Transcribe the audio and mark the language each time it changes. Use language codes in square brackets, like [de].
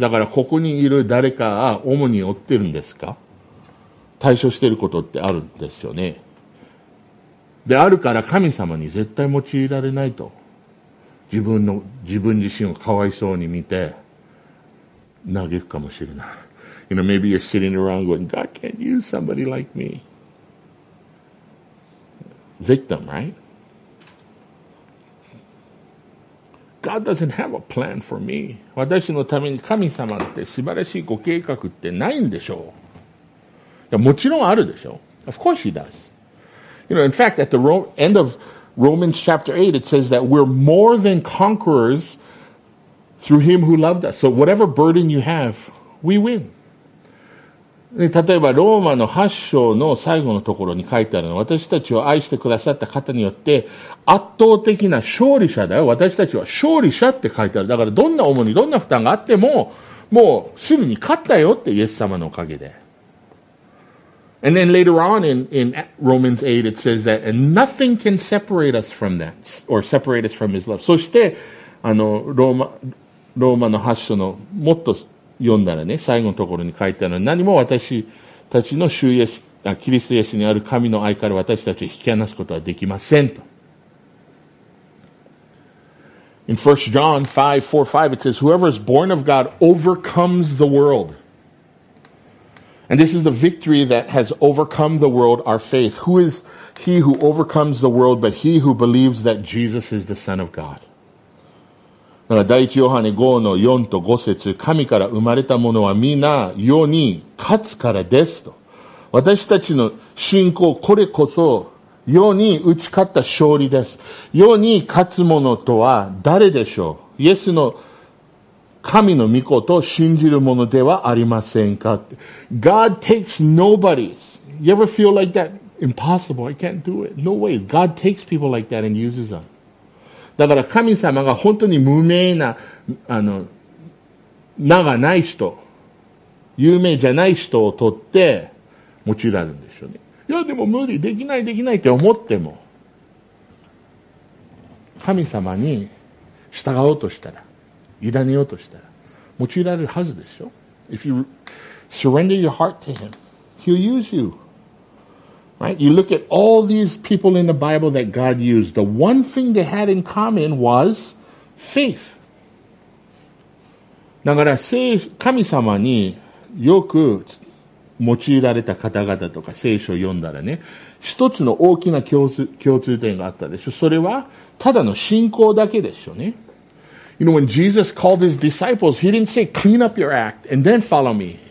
[ja] だからここにいる誰かが重荷を負ってるんですか？対処してることってあるんですよね。であるから神様に絶対用いられないと。自分自身をかわいそうに見て、嘆くかもしれない。 [en] You know, maybe you're sitting around going, God can't use somebody like me. Victim, right? God doesn't have a plan for me. [ja] 私のために神様って素晴らしいご計画ってないんでしょう。いや、もちろんあるでしょう。 [en] Of course he does. You know, in fact, at the end of Romans chapter 8, it says that we're more than conquerors through him who loved us. So whatever burden you have, we win. [ja] 例えばローマの8章の最後のところに書いてあるのは、私たちを愛してくださった方によって圧倒的な勝利者だよ。私たちは勝利者って書いてある。だからどんな重荷、どんな負担があっても、もうすぐに勝ったよってイエス様のおかげで。 [en] And then later on in Romans 8, it says that, and nothing can separate us from that, or separate us from his love. [ja] そして、ローマの8章のもっと読んだらね、最後のところに書いてあるのは、何も私たちの主イエス、キリストイエスにある神の愛から私たちを引き離すことはできませんと。 [en] In 1 John 5:4-5, it says, whoever is born of God overcomes the world. And this is the victory that has overcome the world, our faith. Who is he who overcomes the world but he who believes that Jesus is the Son of God? [ja] だから第一ヨハネ5の4と5節、神から生まれた者は皆世に勝つからですと。私たちの信仰、これこそ世に打ち勝った勝利です。世に勝つ者とは誰でしょう？イエスの神の御子と信じるものではありませんか。 [en] God takes nobodies. You ever feel like that? Impossible. I can't do it. No way. God takes people like that and uses them. [ja] だから神様が本当に無名な、名がない人、有名じゃない人を取って、もちろんあるんでしょうね。いや、でも無理。できない、できないって思っても、神様に従おうとしたら、委ねようとしたら用いられるはずでしょ。 [en] If you surrender your heart to him, he'll use you. Right? You look at all these people in the Bible that God used. The one thing they had in common was faith. [ja] だから神様によく用いられた方々とか聖書を読んだらね、一つの大きな共通点があったでしょ。それはただの信仰だけでしょうね。 [en] You know, when Jesus called his disciples, he didn't say, clean up your act and then follow me.